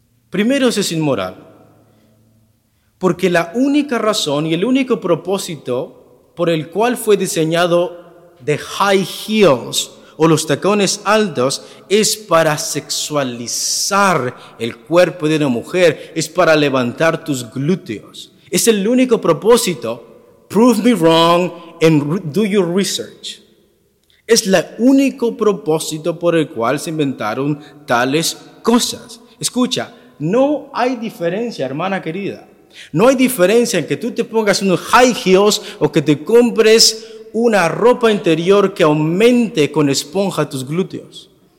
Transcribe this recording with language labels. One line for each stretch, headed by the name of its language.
Spanish: Primero eso es inmoral, porque la única razón y el único propósito por el cual fue diseñado de high heels o los tacones altos es para sexualizar el cuerpo de una mujer, es para levantar tus glúteos. Es el único propósito.
English: Prove me wrong and do your research.
Spanish: Es el único propósito por el cual se inventaron tales cosas. Escucha, no hay diferencia, hermana querida. No hay diferencia en que tú te pongas unos high heels o que te compres una ropa interior que aumente con esponja tus glúteos.